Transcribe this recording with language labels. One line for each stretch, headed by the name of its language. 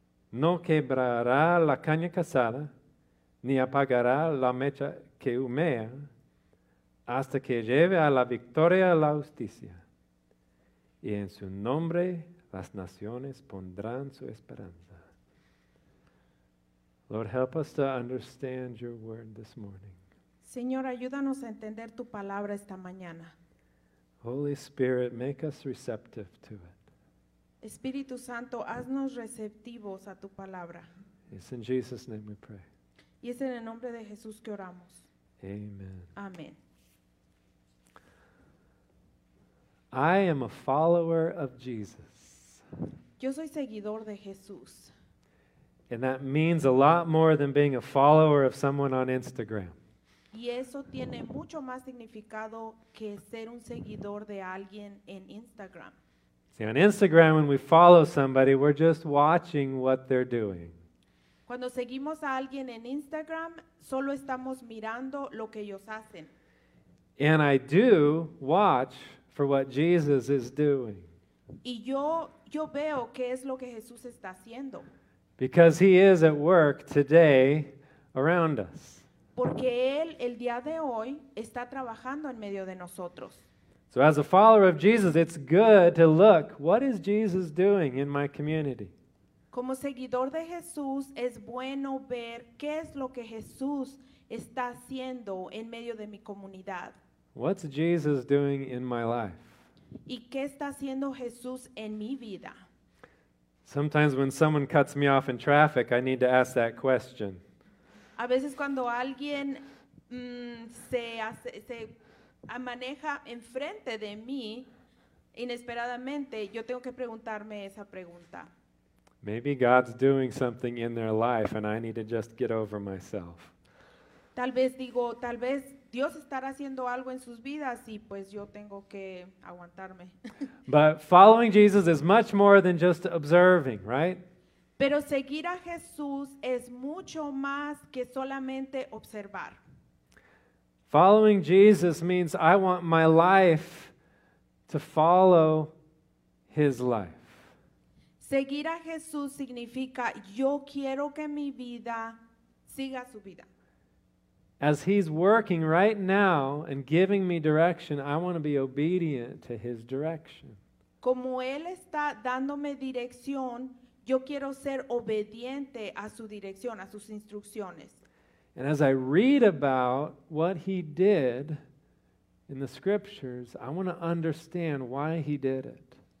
Spanish: No quebrará la caña cazada, ni apagará la mecha que humea, hasta que lleve a la victoria la justicia. Y en su nombre las naciones pondrán su esperanza.
English: Lord, help us to understand your word this morning.
Spanish: Señor, ayúdanos a entender tu palabra esta mañana.
English: Holy Spirit, make us receptive to it.
Spanish: Espíritu Santo, haznos receptivos a tu palabra.
English: It's in Jesus' name we pray.
Spanish: Y es en el nombre de Jesús que oramos.
English: Amen.
Spanish: Amen.
English: I am a follower of Jesus.
Spanish: Yo soy seguidor de Jesús.
English: And that means a lot more than being a follower of someone on Instagram.
Spanish: Y eso tiene mucho más significado que ser un seguidor de alguien en Instagram.
English: See, on Instagram, when we follow somebody, we're just watching what they're doing.
Spanish: Cuando seguimos a alguien en Instagram, solo estamos mirando lo que ellos hacen.
English: And I do watch for what Jesus is doing.
Spanish: Y yo veo qué es lo que Jesús está haciendo.
English: Because he is at work today around us.
Spanish: Porque él el día de hoy está trabajando en medio de nosotros.
English: So as a follower of Jesus, it's good to look, what is Jesus doing in my community?
Spanish: Como seguidor de Jesús, es bueno ver qué es lo que Jesús está haciendo en medio de mi comunidad.
English: What's Jesus doing in my life?
Spanish: ¿Y qué está haciendo Jesús en mi vida?
English: Sometimes when someone cuts me off in traffic, I need to ask that question.
Spanish: A veces cuando alguien se maneja enfrente de mí inesperadamente, yo tengo que preguntarme esa pregunta.
English: Maybe God's doing something in their life and I need to just get over myself.
Spanish: Tal vez Dios estará haciendo algo en sus vidas y pues yo tengo que aguantarme.
English: But following Jesus is much more than just observing, right?
Spanish: Pero seguir a Jesús es mucho más que solamente observar.
English: Following Jesus means I want my life to follow his life.
Spanish: Seguir a Jesús significa yo quiero que mi vida siga su vida.
English: As he's working right now and giving me direction, I want to be obedient to his direction.
Spanish: Como él está dándome dirección, yo quiero ser obediente a su dirección, a sus instrucciones.
English: And as I read about what he did in the scriptures, I want to understand why he did it.